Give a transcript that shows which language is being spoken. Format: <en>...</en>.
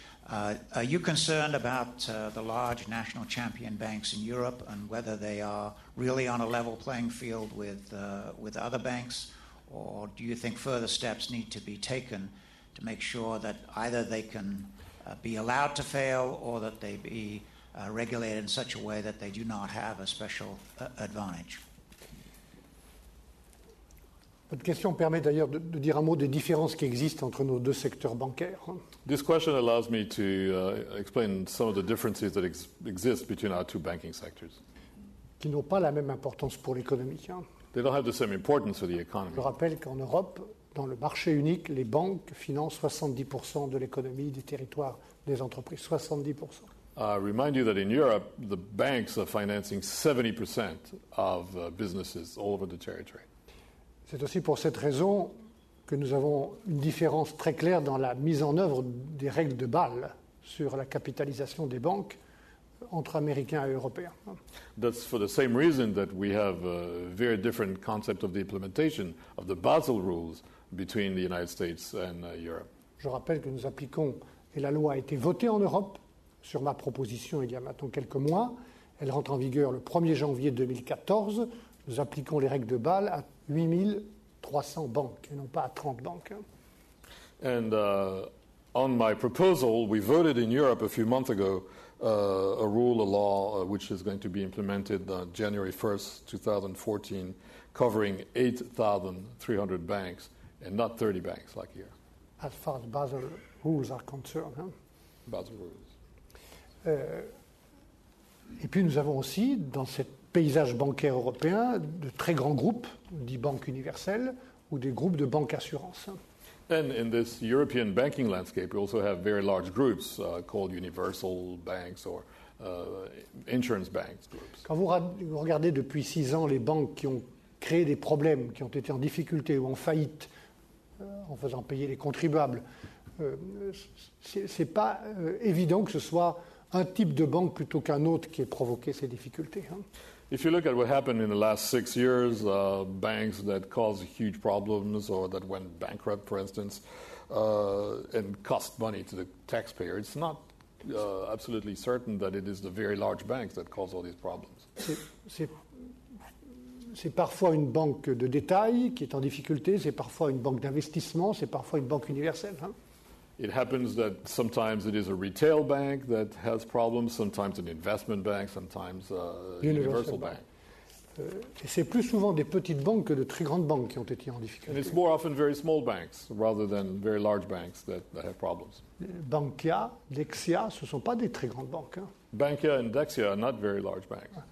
<en>Are you concerned about the large national champion banks in Europe and whether they are really on a level playing field with other banks, or do you think further steps need to be taken to make sure that either they can be allowed to fail or that they be regulated in such a way that they do not have a special advantage?</en> <fr>Votre question permet d'ailleurs de dire un mot des différences qui existent entre nos deux secteurs bancaires.</fr> <en>This question allows me to explain some of the differences that exist between our two banking sectors.</en> <fr>Qui n'ont pas la même importance pour l'économie. Hein.</fr> <en>They don't have the same importance for the economy.</en> <fr>Je rappelle qu'en Europe, dans le marché unique, les banques financent 70% de l'économie, des territoires, des entreprises. 70%.</fr> <en>I remind you that in Europe, the banks are financing 70% of businesses all over the territory.</en> <fr>C'est aussi pour cette raison que nous avons une différence très claire dans la mise en œuvre des règles de Bâle sur la capitalisation des banques entre Américains et Européens.</fr> <en>That's for the same reason that we have a very different concept of the implementation of the Basel rules between the United States and Europe.</en> <fr>Je rappelle que nous appliquons, et la loi a été votée en Europe sur ma proposition il y a maintenant quelques mois. Elle rentre en vigueur le 1er janvier 2014. Nous appliquons les règles de Bâle à 8300 banques et non pas à 30 banques.</fr> <en>And on my proposal, we voted in Europe a few months ago a rule, a law, which is going to be implemented January 1st, 2014, covering 8,300 banks and not 30 banks like here. As far as Basel rules are concerned. Hein? Basel rules.</en> <fr>Et puis nous avons aussi, dans cette paysage bancaire européen, de très grands groupes, dit banques universelles, ou des groupes de banques assurance.</fr> <en>And in this European banking landscape, we also have very large groups called universal banks or insurance banks groups.</en> <fr>Quand vous regardez depuis 6 ans les banques qui ont créé des problèmes, qui ont été en difficulté ou en faillite en faisant payer les contribuables. C'est pas évident que ce soit un type de banque plutôt qu'un autre qui ait provoqué ces difficultés.</fr> <en>If you look at what happened in the last 6 years, banks that caused huge problems or that went bankrupt, for instance, and cost money to the taxpayer, it's not absolutely certain that it is the very large banks that cause all these problems.</en> <fr>C'est parfois une banque de détail qui est en difficulté, c'est parfois une banque d'investissement, c'est parfois une banque universelle. Hein.</fr> <en>It happens that sometimes it is a retail bank that has problems, sometimes an investment bank, sometimes a universal bank.</en> <fr>Et c'est plus souvent des petites banques que de très grandes banques qui ont été en difficulté.</fr> <en>And it's more often very small banks rather than very large banks that have problems.</en> <fr>Bankia, Dexia, ce ne sont pas des très grandes banques. Hein.</fr> <en>Bankia and Dexia are not very large banks.</en>